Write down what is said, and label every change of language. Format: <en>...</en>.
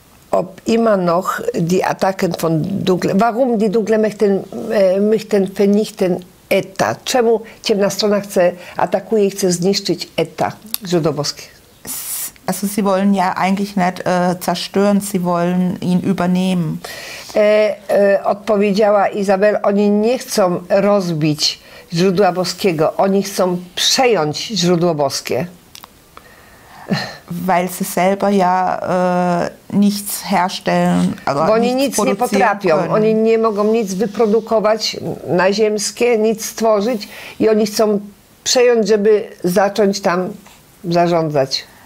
<de>ob immer noch die Attacken von Dunkle, warum die Dunkle möchten vernichten Eta?</de> <pl>Czemu ciemna strona chce, atakuje i chce zniszczyć Eta, żydowskie?</pl> <de>Also sie wollen ja eigentlich nicht zerstören, sie wollen ihn übernehmen.</de> <pl>Odpowiedziała Izabel, oni nie chcą rozbić źródła boskiego, oni chcą przejąć źródło boskie.</pl> <de>Weil sie selber ja nichts herstellen,</de> <pl>bo oni nic nie potrafią,</pl> <de>können.</de> <pl>Oni nie mogą nic wyprodukować na ziemskie, nic stworzyć i oni chcą przejąć, żeby zacząć tam zarządzać.</pl>